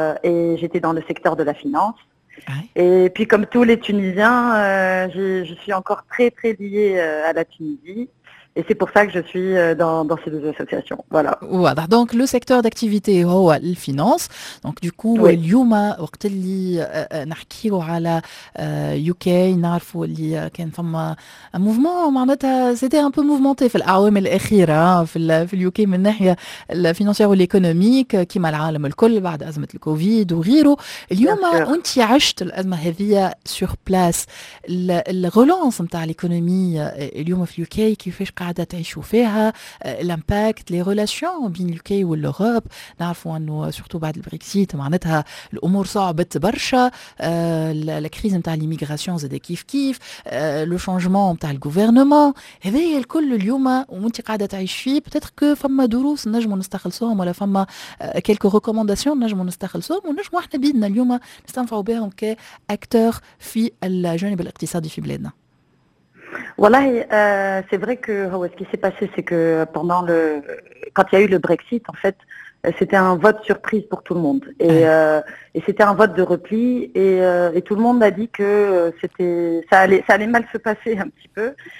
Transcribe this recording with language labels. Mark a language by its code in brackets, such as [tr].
[fr] Et j'étais dans le secteur de la finance. Et puis, comme tous les Tunisiens, je suis encore très très liée à la Tunisie. Et c'est pour ça que je suis dans ces deux associations. Voilà. Voilà. Donc le secteur d'activité [ar] هو الفينانس. [fr] Donc du coup [ar] اليوم وقت اللي نحكيوا على UK، نعرفوا اللي كان فما موفمون، معناتها [fr] c'était un peu mouvementé [ar] في الأعوام الأخيرة في UK من ناحية الفينانسيير والإيكونوميك، كيما العالم الكل بعد أزمة الكوفيد وغيره. اليوم وانت عشت الأزمة هذه [fr] sur place، [ar] الغلانس نتاع الإيكونومي اليوم في UK كيفاش قاعدة تعيشوا فيها، الامباكت لي ريلاسيون بين الكي والاوروب، نعرفوا انه سورتو بعد البريكسيت معناتها الامور صعبت برشا، الكريز نتاع الايميغراسيون زاد كيف كيف، لو شانجمون نتاع الغوفرنمون، هذا الكل اليوم وانت قاعده تعيش فيه، بتيتر كو فما دروس نجمو نستخلصوهم، ولا فما كيلكو ريكومونداسيون نجمو نستخلصوهم، ونجمو احنا بيدنا اليوم نستنفعوا بهم كاكتور في الجانب الاقتصادي في بلادنا. [fr] Voilà, c'est vrai que ce qui s'est passé, c'est que quand il y a eu le Brexit, en fait, c'était un vote surprise pour tout le monde. Et c'était un vote de repli. Et tout le monde a dit que ça allait mal se passer un petit peu.